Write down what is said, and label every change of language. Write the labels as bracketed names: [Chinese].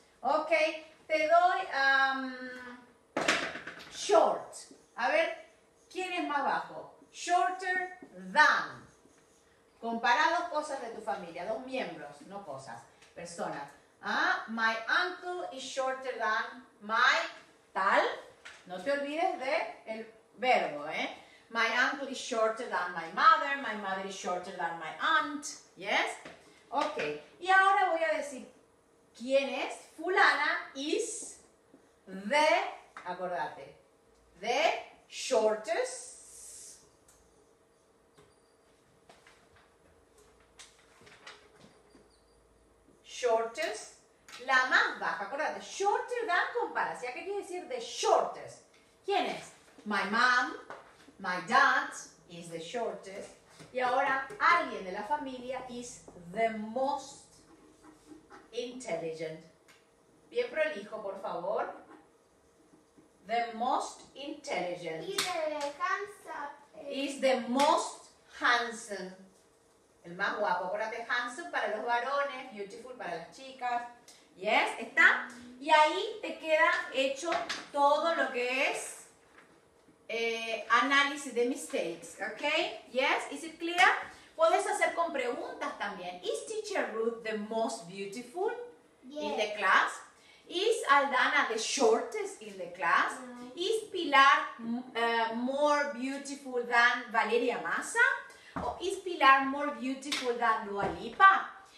[Spanish] Ok, te doy short. A ver, ¿quién es más bajo? Shorter than. Compará dos cosas de tu familia, dos miembros, no cosas, personas. [English] My uncle is shorter than my... Tal, no te olvides de el verbo, My uncle is shorter than my mother is shorter than my aunt, yes? [Spanish] Ok, y ahora voy a decir, ¿quién es? [English] Fulana is the, acordate, the shortest la más baja, acuérdate, shorter than comparación. ¿Qué quiere decir the shortest? ¿Quién es? My mom, my dad is the shortest. [Spanish] Y ahora alguien de la familia is the most intelligent. Bien prolijo, por favor. The most intelligent. Y de handsome. [English] Is the most handsome. El más guapo. [Spanish] Acuérdate, handsome para los varones, beautiful para las chicas. Yes, está. Y ahí te queda hecho todo lo que es análisis de mistakes, ¿ok? Yes, is it clear? Puedes hacer con preguntas también. [English] Is teacher Ruth the most beautiful in the class? Is Aldana the shortest in the class? Is Pilar more beautiful than Valeria Massa? Or is Pilar more beautiful than Dua Lipa?